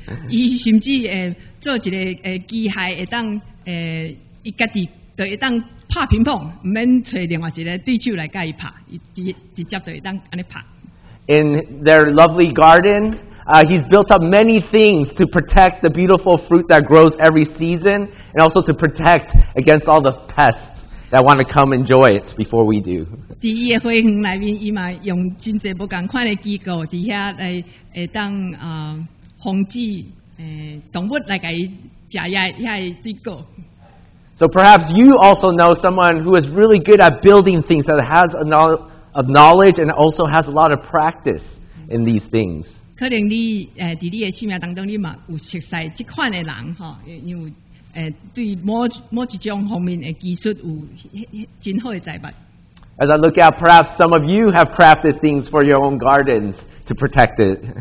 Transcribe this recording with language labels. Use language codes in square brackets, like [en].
[nan] 伊甚至做一个机械会当伊家己就会当拍乒乓，唔免找另外一个对手来甲伊拍，伊直接就会当安尼拍。 [en] In their lovely garden, he's built up many things to protect the beautiful fruit that grows every season, and also to protect against all the pests that want to come enjoy it before we do. [nan] 在伊的花园内面，伊嘛用真侪不共款的机构，底下来会当防止动物来给伊食下遐水果。 [en] So perhaps you also know someone who is really good at building things that has a of knowledge and also has a lot of practice in these things. [nan] 可能你在你的生命当中，你嘛有熟悉这款的人哈，因为对某一种方面的技术有真好的才华。 [en] As I look out, perhaps some of you have crafted things for your own gardens to protect it.